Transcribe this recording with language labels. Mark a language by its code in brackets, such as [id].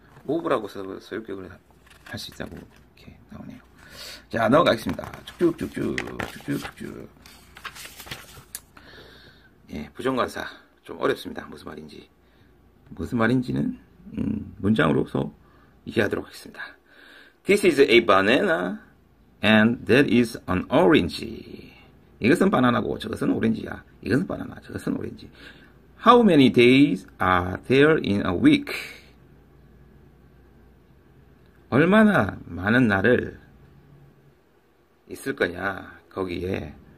[ko] 오브라고 써서 소유격을 할 수 있다고 이렇게 나오네요. 자, 넘어가겠습니다. 쭉쭉쭉쭉쭉쭉. 예, 부정관사. 좀 어렵습니다. 무슨 말인지. 무슨 말인지는 문장으로서 이해하도록 하겠습니다. [en] This is a banana and that is an orange. [ko] 이것은 바나나고 저것은 오렌지야. 이것은 바나나, 저것은 오렌지. [en] How many days are there in a week? [ko] 얼마나 많은 날을 있을 거냐, 거기에.